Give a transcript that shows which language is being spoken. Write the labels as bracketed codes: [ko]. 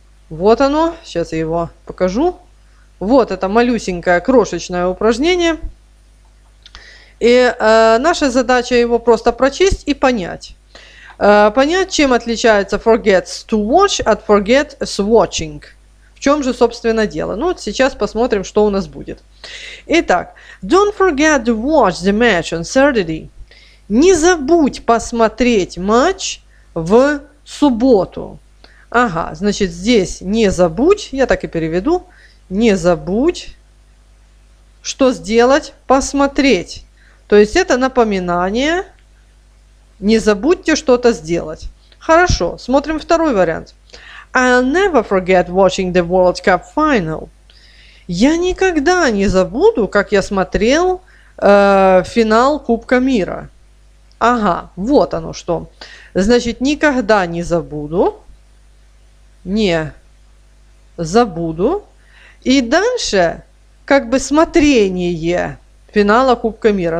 [ru] Вот оно, сейчас я его покажу. Вот это малюсенькое, крошечное упражнение. И наша задача его просто прочесть и понять. Понять, чем отличается [en] forget to watch [ru] от forget с watching. В чем же, собственно, дело? Ну, вот сейчас посмотрим, что у нас будет. [en] Итак, don't forget to watch the match on Saturday. [ru] Не забудь посмотреть матч в субботу. Ага, значит, здесь не забудь, я так и переведу, не забудь, что сделать, посмотреть. То есть это напоминание, не забудьте что-то сделать. Хорошо, смотрим второй вариант. [en] I'll never forget watching the World Cup final. [ru] Я никогда не забуду, как я смотрел финал Кубка мира. Ага, вот оно что. Значит, никогда не забуду. Не забуду. И дальше как бы смотрение финала Кубка мира.